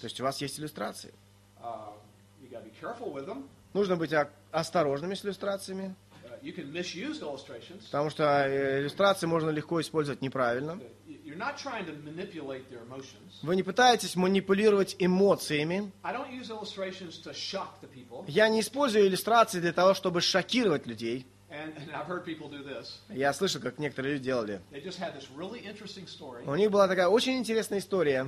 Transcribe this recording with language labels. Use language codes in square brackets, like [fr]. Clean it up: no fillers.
[ru] То есть у вас есть иллюстрации. [en] You gotta be careful with them. [ru] Нужно быть осторожными с иллюстрациями. [en] You can misuse illustrations. [ru] Потому что иллюстрации можно легко использовать неправильно. [en] You're not trying to manipulate their emotions. [ru] Вы не пытаетесь манипулировать эмоциями. [en] I don't use illustrations to shock the people. [ru] Я не использую иллюстрации для того, чтобы шокировать людей. [en] And I've heard people do this. [ru] Я слышал, как некоторые люди делали. [en] They just had this really interesting story. [ru] У них была такая очень интересная история.